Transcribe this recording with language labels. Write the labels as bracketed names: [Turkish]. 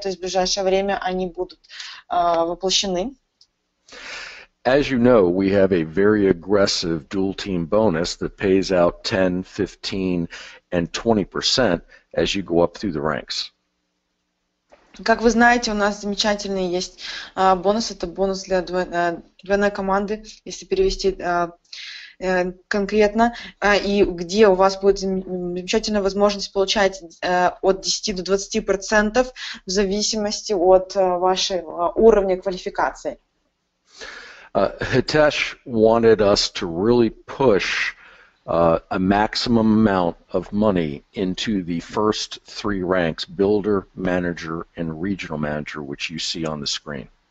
[Russian] То есть в ближайшее время они будут воплощены. [English] As you know, we have a very aggressive dual team bonus that pays out 10, 15, and 20% as you go up through the ranks. [Russian] Как вы знаете, у нас замечательный есть бонус. Это бонус для двойной команды, если перевести конкретно. И где у вас будет замечательная возможность получать от 10 до 20% в зависимости от вашего уровня квалификации. [English] Hitesh wanted us to really push a maximum amount of money into the first three ranks, builder, manager, and regional manager, which you see on the screen.